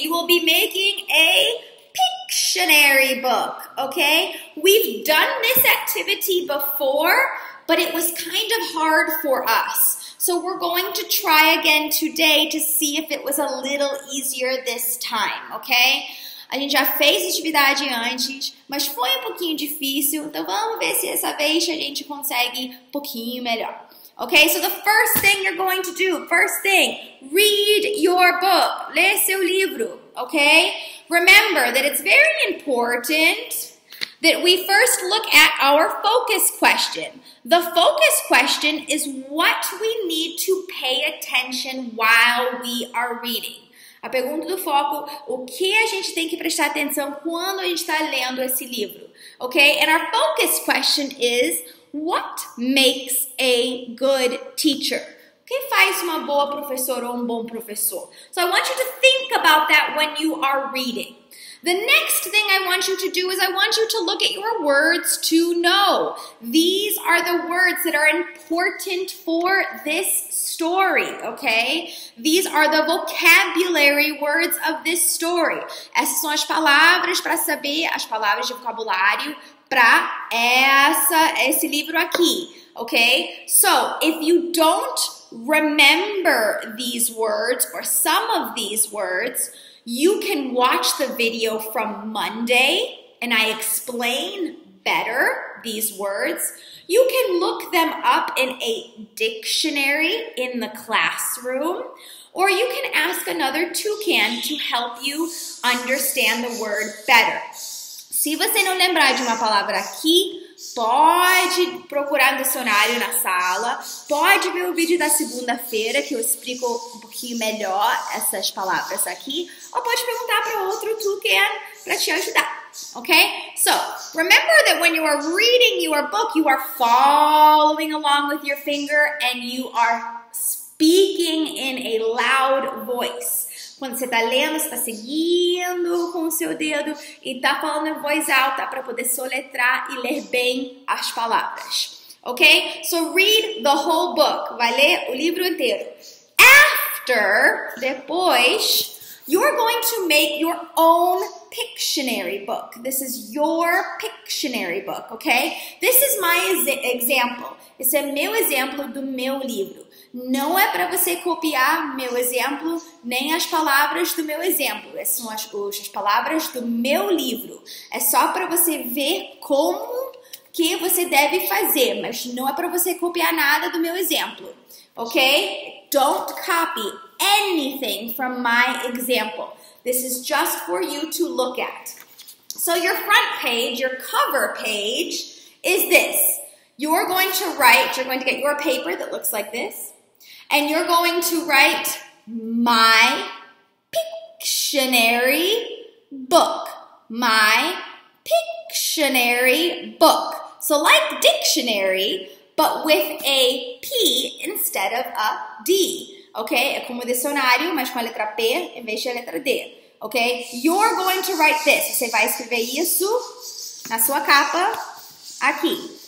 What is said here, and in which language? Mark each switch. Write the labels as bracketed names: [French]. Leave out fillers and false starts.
[English] You will be making a pictionary book, okay? We've done this activity before, but it was kind of hard for us. So we're going to try again today to see if it was a little easier this time, okay? [Portuguese] A gente já fez atividade antes, mas foi um pouquinho difícil, então vamos ver se essa vez a gente consegue um pouquinho melhor. [English] Okay, so the first thing you're going to do, first thing, read your book. [Portuguese] Lê seu livro, [English] okay? Remember that it's very important that we first look at our focus question. The focus question is what we need to pay attention while we are reading. [Portuguese] A pergunta do foco, o que a gente tem que prestar atenção quando a gente está lendo esse livro? [English] Okay, and our focus question is, what makes a good teacher? [Portuguese] O que faz uma boa professora ou um bom professor? [English] So I want you to think about that when you are reading. The next thing I want you to do is I want you to look at your words to know. These are the words that are important for this story, okay? These are the vocabulary words of this story. [Portuguese] Essas são as palavras para saber, as palavras de vocabulário para esse livro aqui, okay? [English] So, if you don't remember these words or some of these words, you can watch the video from Monday and I explain better these words. You can look them up in a dictionary in the classroom, or you can ask another toucan to help you understand the word better. [Portuguese] Se você não lembrar de uma palavra aqui, pode procurar no dicionário na sala, pode ver o vídeo da segunda-feira que eu explico um pouquinho melhor essas palavras aqui, ou pode perguntar para outro toucan para te ajudar, ok? [English] So, remember that when you are reading your book, you are following along with your finger and you are speaking in a loud voice. [Portuguese] Quando você está lendo, você está seguindo com o seu dedo e está falando em voz alta para poder soletrar e ler bem as palavras. [English] Ok? So, read the whole book. [Portuguese] Vai ler o livro inteiro. [English] After, depois, you're going to make your own pictionary book. This is your pictionary book, ok? This is my example. [Portuguese] Esse é meu exemplo do meu livro. Não é para você copiar meu exemplo, nem as palavras do meu exemplo. Essas são as palavras do meu livro. É só para você ver como que você deve fazer, mas não é para você copiar nada do meu exemplo. [English] Ok? Don't copy anything from my example. This is just for you to look at. So your front page, your cover page, is this. You're going to write, you're going to get your paper that looks like this. And you're going to write my pictionary book. My pictionary book. So like dictionary, but with a P instead of a D. Okay? [Portuguese] É como dicionário, mas com a letra P em vez de a letra D. [English] Okay? You're going to write this. [Portuguese] Você vai escrever isso na sua capa aqui.